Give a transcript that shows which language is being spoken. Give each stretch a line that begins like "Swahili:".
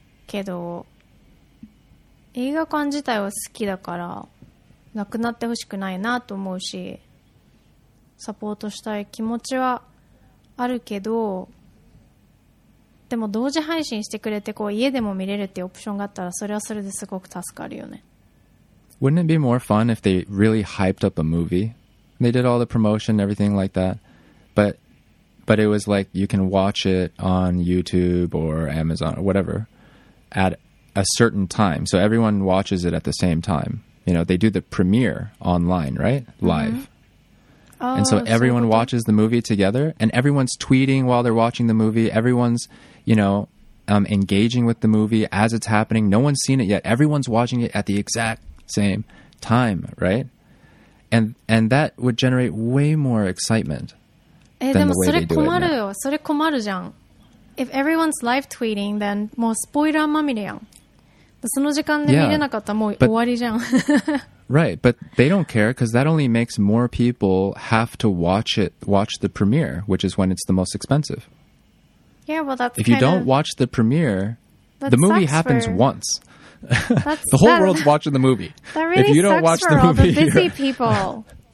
Japanese: So, 映画館自体は好きだからなくなってほしくないなと思うし、サポートしたい気持ちはあるけど、でも同時配信してくれて、こう家でも見れるっていうオプションがあったら、それはそれですごく助かるよね。
English: Wouldn't it be more fun if they really hyped up a movie? They did all the promotion and everything like that, but it was like you can watch it on YouTube or Amazon or whatever at a certain time, so everyone watches it at the same time. You know, they do the premiere online, right? Live. Mm-hmm. Oh, and so everyone so watches the movie together, and everyone's tweeting while they're watching the movie. Everyone's, you know, engaging with the movie as it's happening. No one's seen it yet. Everyone's watching it at the exact same time, right? And that would generate way more excitement than the way they do it.
Japanese: それ困るじゃん。
English: If everyone's live tweeting, then
Japanese: もうスポイラーまみれやん。その時間で見れなかったらもう終わりじゃん。
English: Right, but they don't care because that only makes more people have to watch the premiere, which is when it's the most expensive. Yeah, well that's if you don't watch the premiere, the movie happens once. The whole world's watching the movie. That really if you don't sucks watch for the movie, all the busy people.